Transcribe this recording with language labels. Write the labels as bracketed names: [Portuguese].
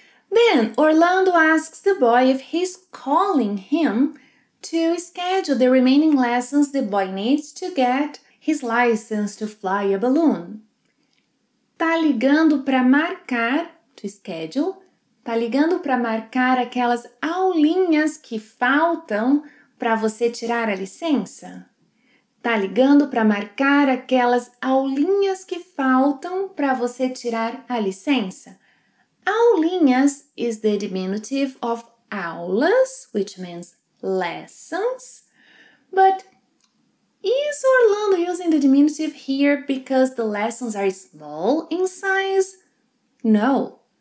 [English] Then Orlando asks the boy if he's calling him to schedule the remaining lessons the boy needs to get his license to fly a balloon. [Portuguese] Tá ligando pra marcar, [English] to schedule, [Portuguese] tá ligando pra marcar aquelas aulinhas que faltam pra você tirar a licença? Tá ligando para marcar aquelas aulinhas que faltam para você tirar a licença? [English] Aulinhas is the diminutive of aulas, which means lessons. But is Orlando using the diminutive here because the lessons are small in size? No.